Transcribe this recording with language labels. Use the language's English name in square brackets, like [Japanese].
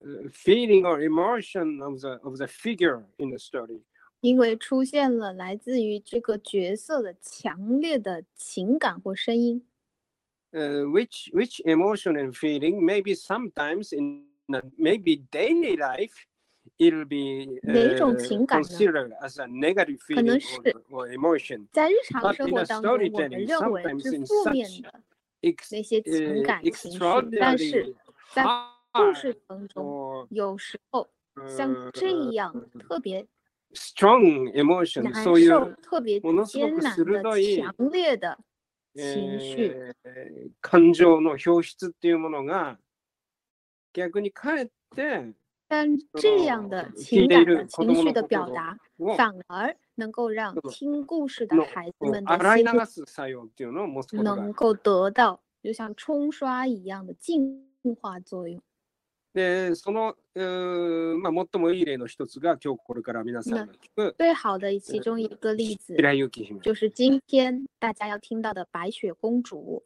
[English] Feeling or emotion of the figure in the story, [Chinese] 因为出现了来自于这个角色的强烈的情感或声音。 [English] Which emotion and feeling? Maybe sometimes maybe daily life, it'll be [Chinese] 哪种情感 [English] considered as a negative feeling or emotion? [Chinese] 在日常生活当中，我们认为是负面的那些情感情绪，但是在故事当中有时候像这样特别 [English] strong emotion, [Chinese] 难受，特别艰难的强烈的情绪， [Japanese] 感情の表出っていうものが逆にかえって [Chinese] 但这样的情感的情绪的表达反而能够让听故事的孩子们的心能够得到就像冲刷一样的净化作用 [Japanese] でそのまあ、最もいい例の一つが今日これから皆さんが聞く [Chinese] 最好的其中一个例子 [Japanese] 白雪姫 [Chinese] 就是今天大家要听到的白雪公主、